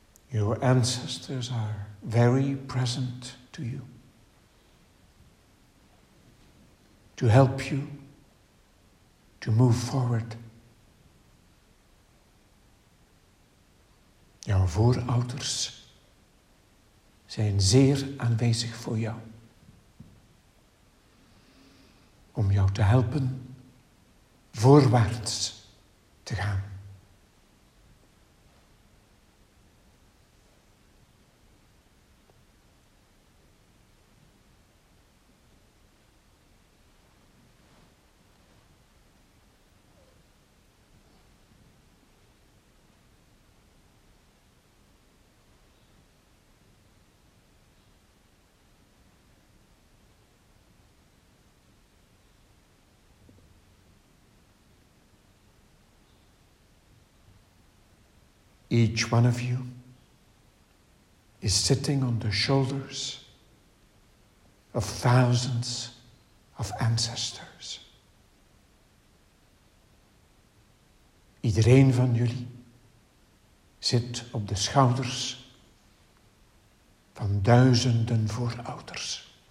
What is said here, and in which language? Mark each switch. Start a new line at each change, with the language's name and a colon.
English: Your ancestors are very present to you, to help you to move forward.
Dutch: Jouw voorouders zijn zeer aanwezig voor jou, om jou te helpen voorwaarts te gaan.
English: Each one of you is sitting on the shoulders of thousands of ancestors.
Dutch: Iedereen van jullie zit op de schouders van duizenden voorouders.